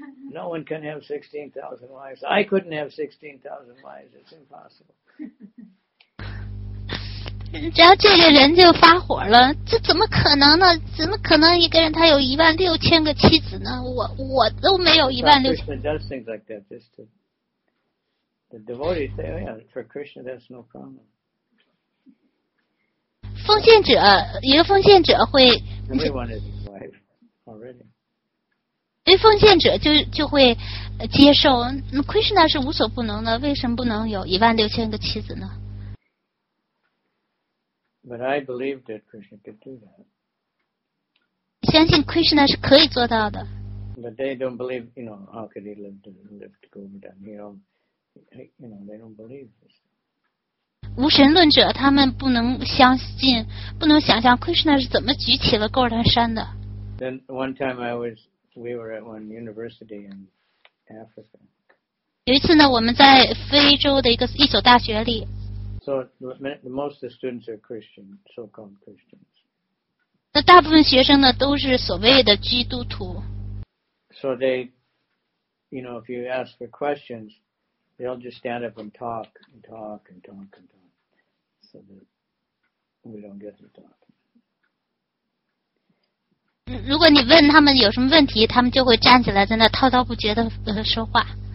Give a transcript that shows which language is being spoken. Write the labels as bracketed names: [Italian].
[English] No one can have 16,000 wives. I couldn't have 16,000 wives. It's impossible. [Chinese] 然后这个人就发火了，这怎么可能呢？怎么可能一个人他有16,000个妻子呢？我都没有16,000。 [English] Krishna does things like that. Just the devotees say, oh yeah, for Krishna that's no problem. [Chinese] 奉献者，一个奉献者会。 [English] Everyone is his wife already. [Chinese] 对奉献者就会接受。Krishna 是无所不能的，为什么不能有16,000个妻子呢 [English] ？But I believed that Krishna could do that. [Chinese] 相信 Krishna 是可以做到的。 [English] But they don't believe, you know, how could he live to go down here? You know, they don't believe this. [Chinese] 无神论者他们不能相信，不能想象 Krishna 是怎么举起了高山山的。 [English] Then one time we were at one university in Africa. [Chinese] 有一次呢，我们在非洲的一所大学里。 [English] So most of the students are Christian, so-called Christians. [Chinese] 那大部分学生呢都是所谓的基督徒。 [English] So they, you know, if you ask for questions. They'll just stand up and talk and talk and talk and talk so that we don't get to talk. [Chinese] 如果你问他们有什么问题，他们就会站起来在那滔滔不绝的说话。